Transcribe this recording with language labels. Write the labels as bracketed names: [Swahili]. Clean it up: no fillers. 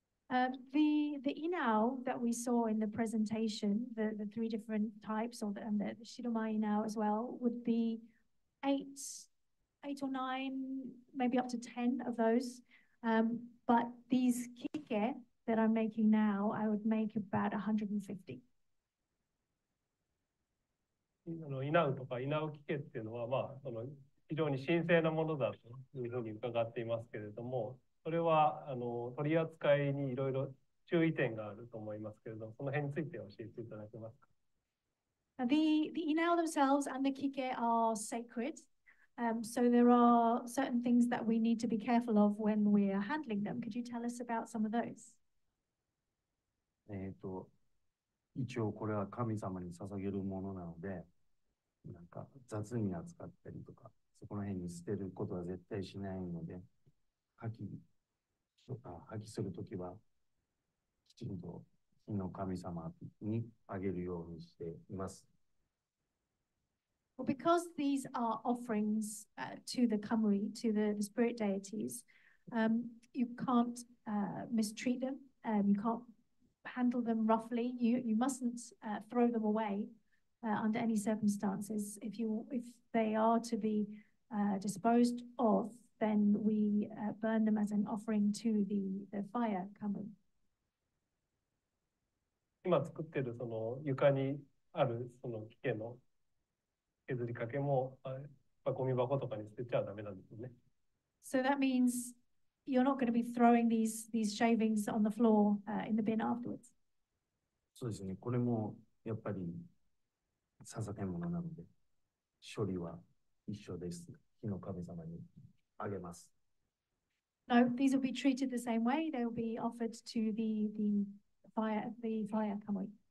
[English] The inaw that we saw in the presentation, the three different types, or the shiromai inaw as well, would be eight or nine, maybe up to 10 of those. But these kike that I'm making now, I would make about 150. [Japanese] あの、イナウとかイナウキケっていうのは、まあ、その非常に神聖なものだというふうに伺っていますけれども、それはあの取り扱いにいろいろ注意点があると思いますけれども、その辺について教えていただけますか。 [English] The inaw themselves and the kike are sacred. So there are certain things that we need to be careful of when we are handling them. Could you tell us about some of those? [Japanese] 一応これは神様に捧げるものなので、なんか雑に扱ったりとか、そこら辺に捨てることは絶対しないので、破棄するときはきちんと火の神様にあげるようにしています。 [English] Well, because these are offerings to the kamuy, to the spirit deities, you can't mistreat them. You can't handle them roughly. You mustn't throw them away under any circumstances. If they are to be disposed of, then we burn them as an offering to the fire kamuy. [Japanese] 今作ってるその床にあるその木系の削りかけも、ゴミ箱とかに捨てちゃダメなんですね。 [English] So that means you're not going to be throwing these shavings on the floor, in the bin afterwards. [Japanese] そうですね。これもやっぱり捧げ物なので、処理は一緒です。火の神様にあげます。 [English] No, these will be treated the same way. They will be offered to the fire kamuy.